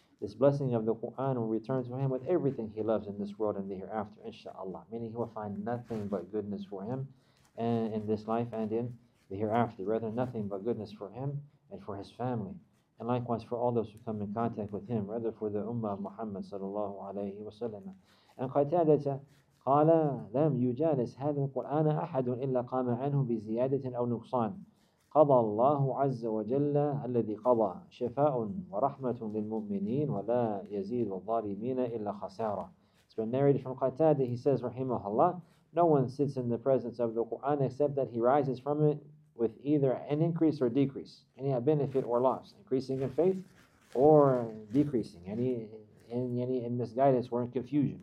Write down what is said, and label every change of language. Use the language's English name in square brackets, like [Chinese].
[English] This blessing of the Quran will return to him with everything he loves in this world and the hereafter, inshallah. Meaning he will find nothing but goodness for him in this life and in the hereafter. Rather, nothing but goodness for him and for his family. And likewise for all those who come in contact with him. Rather, for the Ummah of Muhammad sallallahu alayhi wa sallam. [Arabic] And Qatadata قال لم يجالس هذا القرآن أحد إلا قام عنه بزيادة أو نقصان قضى الله عز وجل الذي قضى شفاء ورحمة للمؤمنين ولا يزيد الظالمين إلا خسارة. [English] It's been narrated from Qatada. He says, rahimahullah, no one sits in the presence of the Quran except that he rises from it with either an increase or decrease, any benefit or loss, increasing in faith or decreasing, any in misguidance or in confusion.